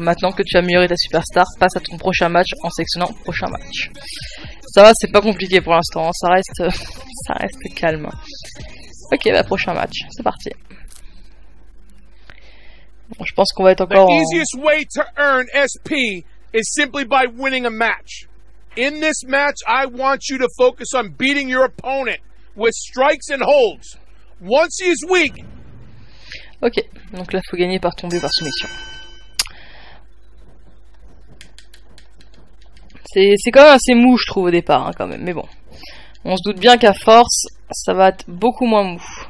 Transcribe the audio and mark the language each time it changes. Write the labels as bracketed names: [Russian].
[French] Maintenant que tu as amélioré ta superstar, passe à ton prochain match en sélectionnant prochain match. Ça va, c'est pas compliqué pour l'instant, hein. ça reste calme. Ok, bah prochain match, c'est parti. Bon, je pense qu'on va être encore en... [English] The easiest way to earn SP is simply by winning a match. In this match, I want you to focus on beating your opponent with strikes and holds. Once he is weak. [French] Ok, donc là faut gagner par tomber par soumission. C'est quand même assez mou, je trouve, au départ, hein, quand même. Mais bon, on se doute bien qu'à force, ça va être beaucoup moins mou.